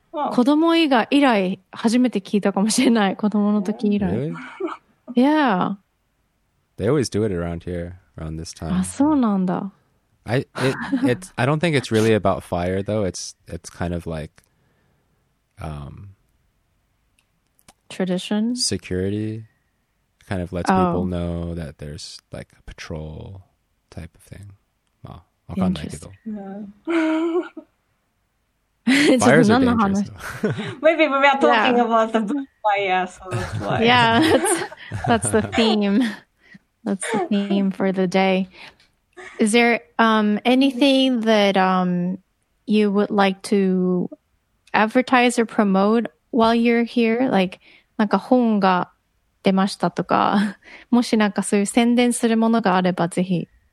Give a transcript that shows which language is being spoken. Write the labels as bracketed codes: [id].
[ja] 子供以外以来初めて聞いたかもしれない。子供の時以来。 [en] Really? Yeah. They always do it around here, around this time. [ja] あ、そうなんだ。 [en] I don't think it's really about fire though. It's kind of like tradition, security. Kind of lets people know that there's like a patrol type of thing. [ja] まあ、わかんないけど。 [en] Fires are dangerous. Maybe we are talking about the bushfire, so yeah, that's the theme. That's the theme for the day. Is there anything that you would like to advertise or promote while you're here? Like, [ja] なんか本が出ましたとか、もしなんかそういう宣伝するものがあればぜひ。